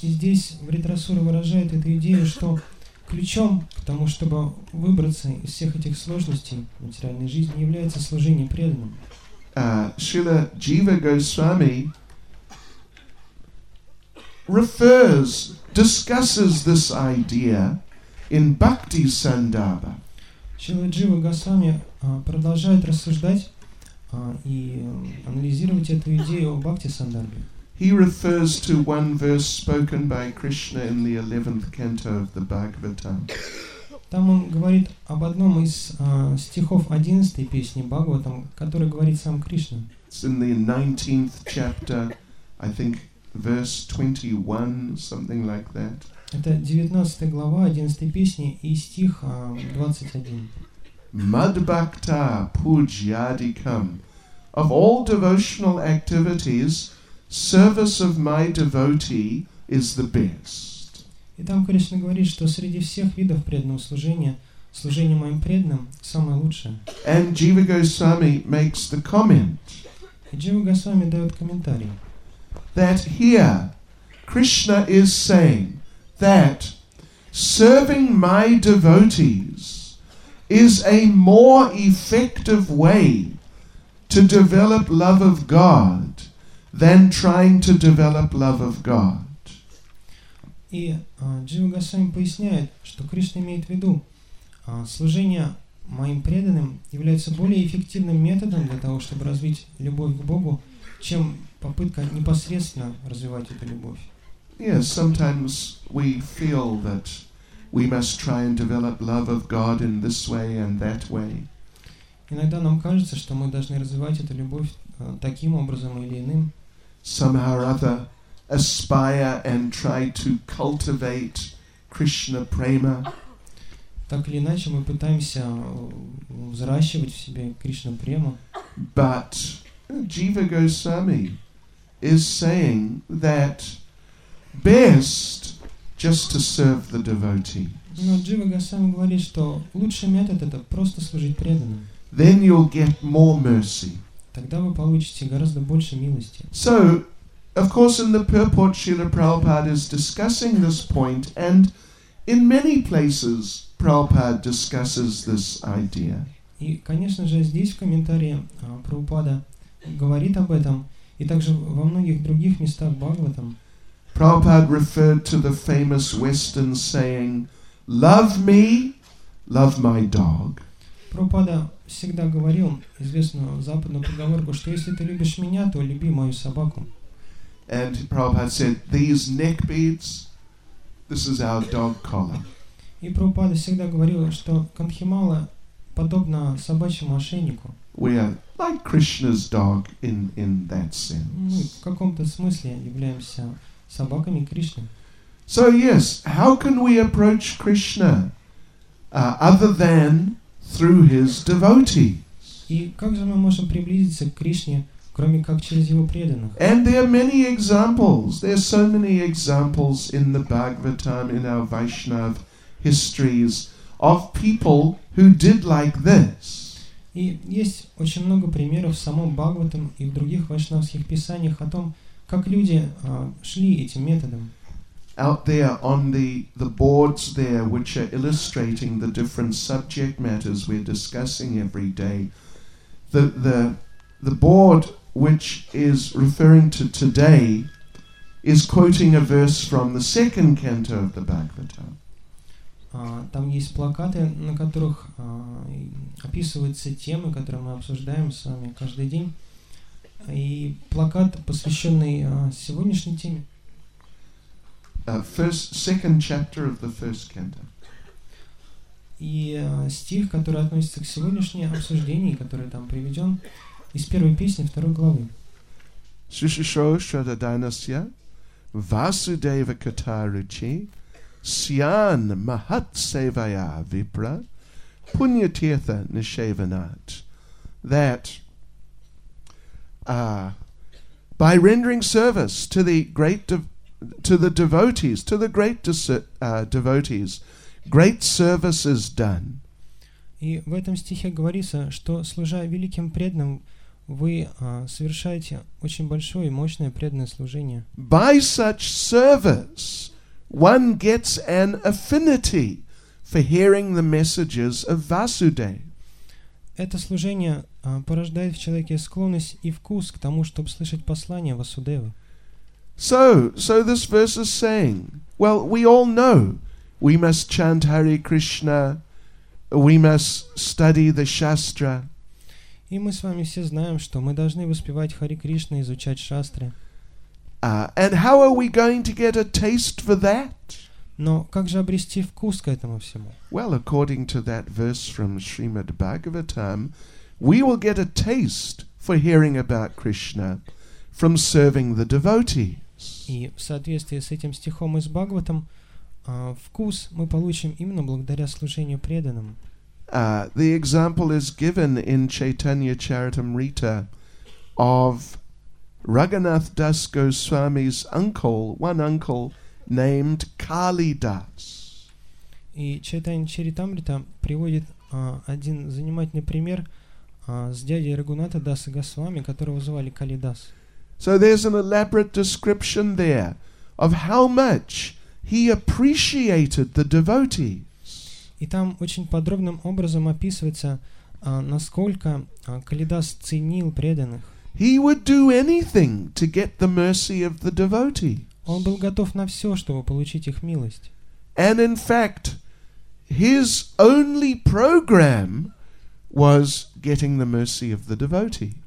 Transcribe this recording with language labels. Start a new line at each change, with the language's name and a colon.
Russian: И здесь Вритрасура выражает эту идею, что ключом к тому, чтобы выбраться из всех этих сложностей материальной жизни, является служение преданным.
English: Шрила Джива Госвами refers, discusses this idea in Bhakti Sandarbha.
Russian: Шрила Джива Госвами продолжает рассуждать и анализировать эту идею о Бхакти Сандарбе.
English: He refers to one verse spoken by Krishna in the 11th canto of the Bhagavatam.
Russian: Там он говорит об одном из стихов 11-й песни Бхагаватам, который говорит сам Кришна.
English: It's in the 19th chapter, I think verse 21, something like that.
Russian: Это 19 глава 11-й песни и стих 21.
Sanskrit: Madbhakta pujyadikam.
English: Of all devotional activities, service of my devotee is the best.
Russian: И там Кришна говорит, что среди всех видов преданного служения, служение моим преданным самое лучшее.
English: And Jiva Goswami makes the comment.
Russian: И Jiva Goswami дает комментарий.
English: That here Krishna is saying that serving my devotees is a more effective way to develop love of God than trying to develop love of God.
Russian: И Джива Госвами поясняет, что Кришна имеет в виду, служение моим преданным является более эффективным методом для того, чтобы развить любовь к Богу, чем попытка непосредственно развивать эту любовь.
English: Yes, sometimes we feel that we must try and develop love of God in this way and that way.
Russian: Иногда нам кажется, что мы должны развивать эту любовь таким образом или иным.
English: Somehow or other, aspire and try to cultivate Krishna prema.
Russian: Так или иначе, мы пытаемся взращивать в себе Кришна прему.
English: But Jiva Goswami is saying that best just to serve the devotees.
Russian: Но Джива Госвами говорит, что лучший метод — это просто служить преданным.
English: Then you'll get more mercy.
Russian: Тогда вы получите гораздо больше милости.
English: So, of course, in the purport, Srila Prabhupada is discussing this point, and in many places, Prabhupada discusses this idea.
Russian: И, конечно же, здесь в комментарии Прабхупада говорит об этом, и также во многих других местах Бхагаватам.
English: Prabhupada referred to the famous Western saying, "Love me, love my dog."
Russian: Прабхупада всегда говорил известную западную поговорку, что если ты любишь меня, то люби мою собаку.
English: And Prabhupada said, "These neck beads, this is our dog collar."
Russian: И Прабхупада всегда говорил, что кандхимала подобна собачьему ошейнику.
English: We are like Krishna's dog in that sense.
Russian: Мы в каком-то смысле являемся собаками Кришны.
English: So yes, how can we approach Krishna other than through his devotees?
Russian: И как же мы можем приблизиться к Кришне, кроме как через его преданных.
English: And there are many examples. There are so many examples in the Bhagavatam, in our Vaishnav histories, of people who did like this.
Russian: И есть очень много примеров в самом Бхагаватам и в других вайшнавских писаниях о том, как люди шли этим методом.
English: Out there on the boards there, which are illustrating the different subject matters we're discussing every day, the board which is referring to today is quoting a verse from the second canto of the Bhagavatam.
Russian: Там есть плакаты, на которых описываются темы, которые мы обсуждаем с вами каждый день, и плакат, посвященный сегодняшней теме.
English: Second chapter of the first canto.
Russian: И стих, который относится к сегодняшней обсуждению, который там приведен, из первой песни второй главы.
Sanskrit: Сушишоушрададайнасья Васудева Катаручи Сян Махатсевая Випра Пуньятиртха Нишеванат.
English: That by rendering service to the great devotees, great service is done.
Russian: И в этом стихе говорится, что служа великим преданным, вы совершаете очень большое и мощное преданное служение.
English: By such service one gets an affinity for hearing the messages of Vasudev.
Russian: Это служение порождает в человеке склонность и вкус к тому, чтобы слышать послания Васудевы.
English: So this verse is saying, well, we all know we must chant Hare Krishna, we must study the Shastra.
Russian: И мы с вами все знаем, что мы должны воспевать Хари Кришна, изучать Шастры.
English: And how are we going to get a taste for that?
Russian: Но как же обрести вкус к этому всему?
English: Well, according to that verse from Srimad Bhagavatam, we will get a taste for hearing about Krishna from serving the devotees.
Russian: И в соответствии с этим стихом из Бхагаватам, вкус мы получим именно благодаря служению преданным.
English: The example is given in Chaitanya Charitamrita of Raghunath Das Goswami's uncle named Kalidas.
Russian: И Чайтанья Чаритамрита приводит один занимательный пример с дядей Рагунатха Даса Госвами, которого звали Калидас.
English: So there's an elaborate description there of how much he appreciated the devotees.
Russian: И там очень подробным образом описывается, насколько Калидас ценил преданных.
English: He would do anything to get the mercy of the devotees.
Russian: Он был готов на все, чтобы получить их милость.
English: And in fact, his only program was getting the mercy of the devotees.